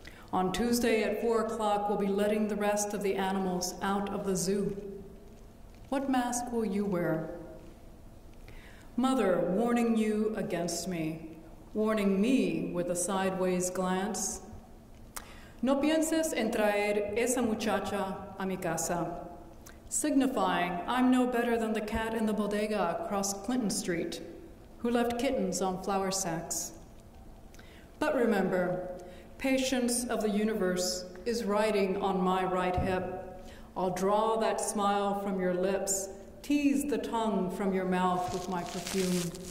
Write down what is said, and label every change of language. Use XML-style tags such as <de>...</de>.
<en>On Tuesday at 4 o'clock, we'll be letting the rest of the animals out of the zoo. What mask will you wear? Mother, warning you against me, warning me with a sideways glance.</en> <es>No pienses en traer esa muchacha a mi casa.</es> <en>Signifying I'm no better than the cat in the bodega across Clinton Street, who left kittens on flower sacks. But remember, patience of the universe is riding on my right hip. I'll draw that smile from your lips, tease the tongue from your mouth with my perfume.</en>